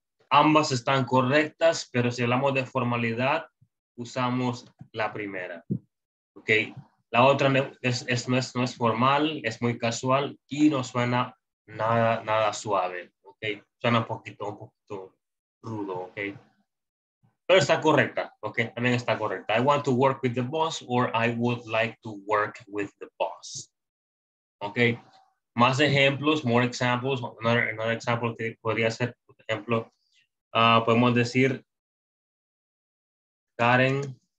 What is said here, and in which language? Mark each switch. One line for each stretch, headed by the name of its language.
Spanish: Ambas están correctas, pero si hablamos de formalidad, usamos la primera. Okay. La otra no es formal, es muy casual y no suena nada suave, okay, suena un poquito rudo, okay, pero está correcta, okay, también está correcta.
English: I want to work with the boss or I would like to work with the boss, okay.
Spanish: Más ejemplos,
English: more examples. Another example
Spanish: que podría ser, por ejemplo, podemos decir Karen.